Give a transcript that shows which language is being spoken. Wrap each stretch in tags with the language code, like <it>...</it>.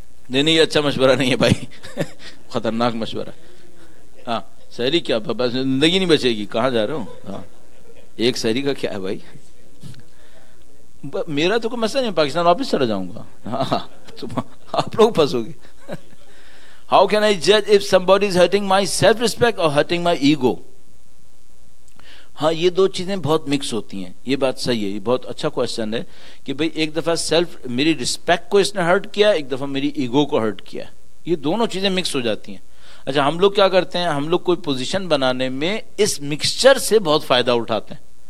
<ur>نہیں نہیں، یہ اچھا مشورہ نہیں ہے بھائی، خطرناک مشورہ. ہاں، سحری کیا، بس زندگی نہیں بچے گی، کہاں جا رہے ہو؟ ہاں، ایک سحری کا کیا ہے بھائی، میرا تو کوئی مسئلہ نہیں، پاکستان واپس چلا جاؤں گا. ہاں، آپ لوگ پھنسو گے.</ur> <en>How can I judge if somebody is hurting my self-respect or hurting my ego?</en> <ur>ہاں، یہ دو چیزیں بہت مکس ہوتی ہیں، یہ بات صحیح ہے. یہ بہت اچھا کوشچن ہے کہ بھائی ایک دفعہ سیلف، میری رسپیکٹ کو اس نے ہرٹ کیا، ایک دفعہ میری ایگو کو ہرٹ کیا، یہ دونوں چیزیں مکس ہو جاتی ہیں. اچھا، ہم لوگ کیا کرتے ہیں، ہم لوگ کوئی پوزیشن بنانے میں اس مکسچر سے بہت فائدہ اٹھاتے ہیں.</ur>